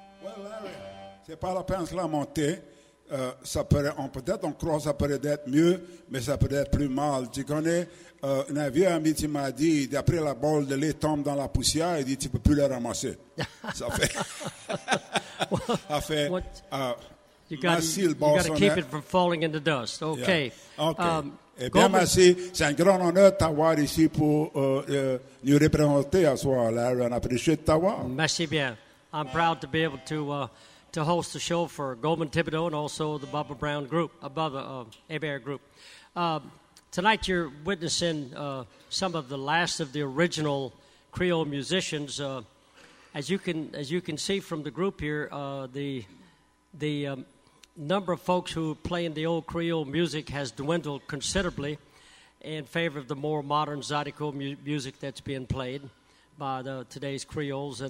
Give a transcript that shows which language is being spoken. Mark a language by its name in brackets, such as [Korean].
[French] Well, Larry, c'est pas la peine de la monter. Ça pourrait, on peut être, on croit que ça pourrait être mieux, mais ça pourrait être plus mal. Tu connais, un vieux ami qui m'a dit, d'après la balle de lait tombe dans la poussière, il dit, tu peux plus la ramasser. Ça fait... [English] you got to keep it from falling in the dust. Okay. Yeah. Okay. [French] Merci. C'est un grand honneur de t'avoir ici pour nous représenter ce soir, Larry. On apprécie de t'avoir. Merci bien. [English] I'm proud to be able to host the show for Goldman Thibodeau and also the Bubba Brown Group, above the Hebert Group. Tonight you're witnessing some of the last of the original Creole musicians. As you can see from the group here, the number of folks who are playing the old Creole music has dwindled considerably in favor of the more modern Zydeco music that's being played by today's Creoles.